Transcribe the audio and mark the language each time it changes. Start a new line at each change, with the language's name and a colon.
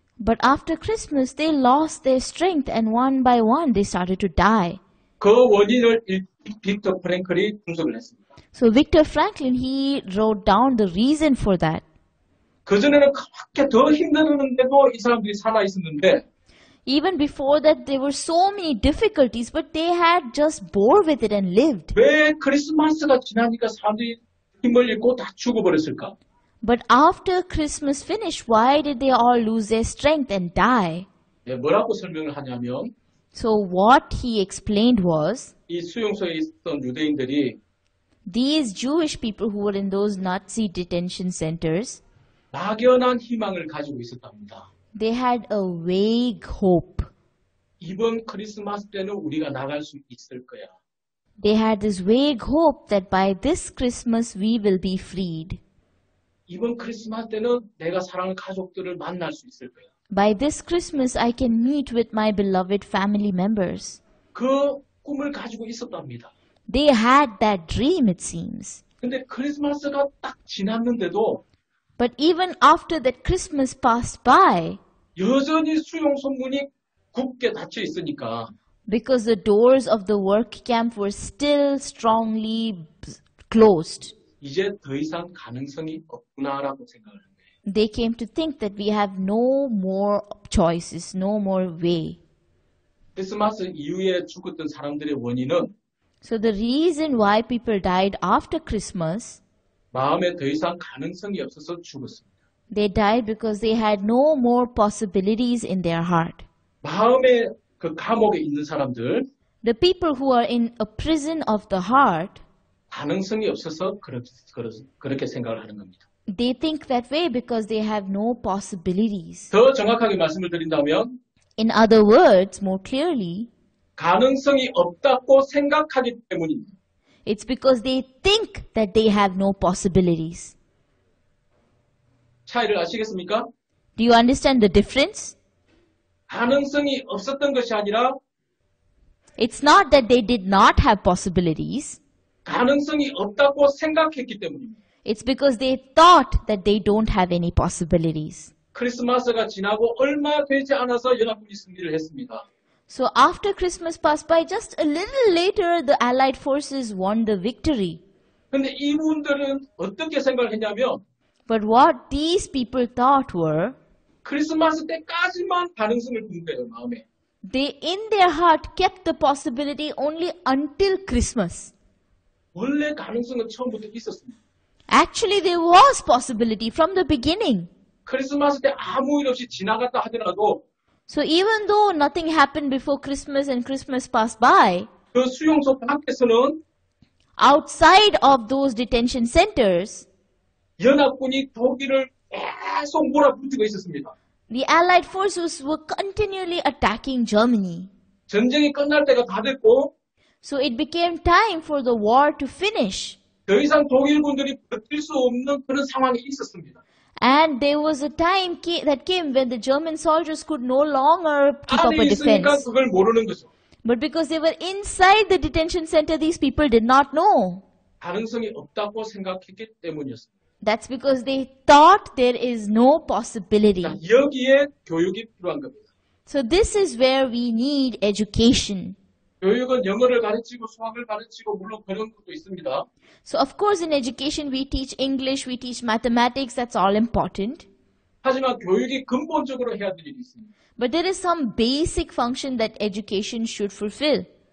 English: But after Christmas, they lost their strength and one by one they started to die.
Korean: 그 원인을 빅터 프랭클이 분석을 했습니다.
English: So Victor Franklin, he wrote down the reason for that.
Korean: 그전에는 그렇게 더 힘들었는데도 이 사람들이 살아있었는데
English: Even before that, there were so many difficulties, but they had just bore with it and lived.
Korean: 왜 크리스마스가 지나니까 사람들이 힘을 잃고 다 죽어버렸을까?
English: But after Christmas finished, why did they all lose their strength and die?
Korean: 네, 뭐라고 설명을 하냐면
English: So what he explained was
Korean: 이 수용소에 있던 유대인들이
English: These Jewish people who were in those Nazi detention centers
Korean: 막연한 희망을 가지고 있었답니다.
English: They had a vague hope.
Korean: 이번 크리스마스 때는 우리가 나갈 수 있을 거야.
English: They had this vague hope that by this Christmas we will be freed.
Korean: 이번 크리스마스 때는 내가 사랑하는 가족들을 만날 수 있을 거야.
English: By this Christmas, I can meet with my beloved family members.
Korean: 그 꿈을 가지고 있었답니다.
English: They had that dream, it seems.
Korean: 근데 크리스마스가 딱 지났는데도
English: But even after that Christmas passed by
Korean: 여전히 수용소 문이 굳게 닫혀 있으니까
English: Because the doors of the work camp were still strongly closed.
Korean: 이제 더 이상 가능성이 없구나라고 생각을 합니다.
English: They came to think that we have no more choices, no more way.
Korean: 크리스마스 이후에 죽었던 사람들의 원인은
English: So the reason why people died after Christmas
Korean: 마음에 더 이상 가능성이 없어서 죽었습니다.
English: They died because they had no more possibilities in their heart.
Korean: 마음의 그 감옥에 있는 사람들,
English: the people who are in a prison of the heart,
Korean: 가능성이 없어서 그렇게 생각을 하는 겁니다.
English: They think that way because they have no possibilities.
Korean: 더 정확하게 말씀을 드린다면,
English: in other words, more clearly,
Korean: 가능성이 없다고 생각하기 때문입니다.
English: It's because they think that they have no possibilities.
Korean: 차이를 아시겠습니까?
English: Do you understand the difference?
Korean: 가능성이 없었던 것이 아니라,
English: it's not that they did not have possibilities.
Korean: 가능성이 없다고 생각했기 때문입니다.
English: It's because they thought that they don't have any possibilities.
Korean: 크리스마스가 지나고 얼마 되지 않아서 연합군이 승리를 했습니다.
English: So after Christmas passed by, just a little later, the Allied forces won the victory.
Korean: 근데 이분들은 어떻게 생각을 했냐면,
English: but what these people thought were,
Korean: 크리스마스 때까지만 가능성을 둔 거예요, 마음에.
English: They in their heart kept the possibility only until Christmas.
Korean: 원래 가능성은 처음부터 있었습니다.
English: Actually, there was possibility from the beginning.
Korean: 크리스마스 때 아무 일 없이 지나갔다 하더라도,
English: so even though nothing happened before Christmas and Christmas passed by,
Korean: 그 수용소 밖에서는,
English: outside of those detention centers,
Korean: 연합군이 독일을 계속 몰아붙이고 있었습니다.
English: The Allied forces were continually attacking Germany.
Korean: 전쟁이 끝날 때가 다 됐고,
English: so it became time for the war to finish.
Korean: 더 이상 독일군들이 버틸 수 없는 그런 상황이 있었습니다.
English: And there was a time that came when the German soldiers could no longer keep up a defense.
Korean: 안에 있으니까 그걸 모르는 거죠.
English: But because they were inside the detention center, these people did not know.
Korean: 가능성이 없다고 생각했기 때문이었습니다.
English: That's because they thought there is no possibility.
Korean: 자, 여기에 교육이 필요한 겁니다.
English: So this is where we need education.
Korean: 교육은 영어를 가르치고 수학을 가르치고 물론 그런 것도 있습니다.
English: So of course in education we teach English, we teach mathematics, that's all important.
Korean: 하지만 교육이 근본적으로 해야 될 일이 있습니다.
English: But there is some basic function that education should fulfill.